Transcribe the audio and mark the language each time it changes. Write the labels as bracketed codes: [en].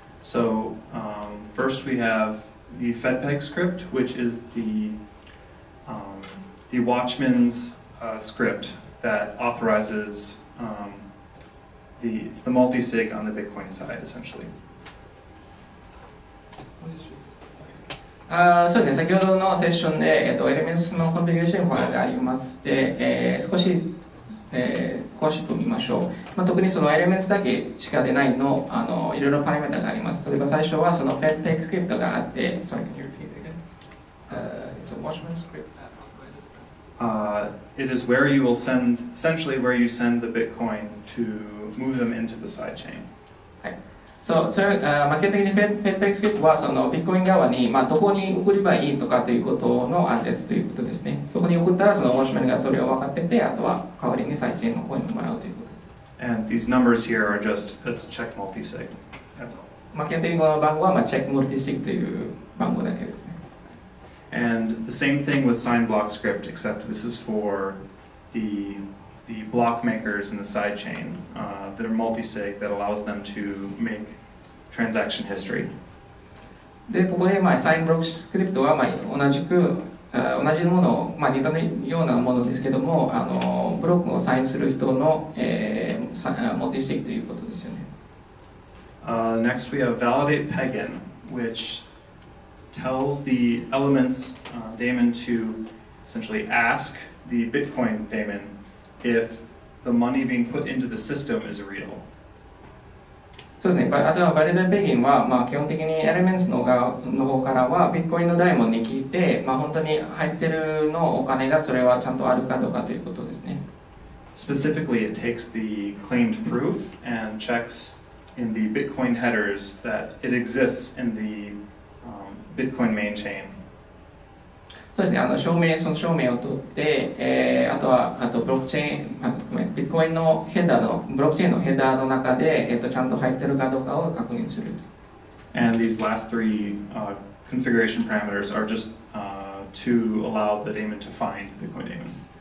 [en] So, first we have the FedPeg script, which is the watchman's script that authorizes it's the multisig on the Bitcoin side, essentially. [ja] そうですね、先ほどのセッションで、エレメンツのコンフィギュレーションファイルがありまして、少し、詳しく見ましょう。まあ、特にそのエレメンツだけしか出ないの、いろいろパラメータがあります。例えば最初はその FedPeg スクリプトがあって、 [en] Sorry, can you repeat it again? It's a watchman script It is where you will send, essentially where you send the Bitcoin to move them into the sidechain. [ja] 基本的に FedPeg スクリプトはそのビットコイン側に、まあ、どこに送ればいいとかということのアドレスということですね。そこに送ったらそのウォッシュメンがそれを分かってて、あとは代わりにサイチェーンの方にもらうということです。 [en] And these numbers here are just, let's check multisig. That's all. [ja] 基本的にこの番号は、まあ、check multisig という番号だけですね。 [en] And the same thing with sign block script, except this is for the block makers in the sidechain that are multisig that allows them to make transaction history. [ja] で、ここで、まあ、サインブロックスクリプトは、まあ、同じもの、まあ、似たようなものですけども、あのブロックをサインする人の、multisig ということですよね。 [en] Next we have validate pegin, which tells the elements daemon to essentially ask the Bitcoin daemon if the money being put into the system is real. [ja] そうですね。あとはバレデンペギンは、まあ、基本的にエレメンツ の方からはビットコインのダイモンに聞いて、まあ、本当に入ってるのお金がそれはちゃんとあるかどうかということですね。 [en] Specifically, it takes the claimed proof and checks in the Bitcoin headers that it exists in the、Bitcoin main chain. [ja] そうですね。証明を取って、あとはあとブロックチェーン、あ、ごめん、ビットコインのヘッダーのブロックチェーンのヘッダーの中で、ちゃんと入ってるかどうかを確認する。 [en] And these last three、configuration parameters are just、to allow the daemon to find the Bitcoin daemon.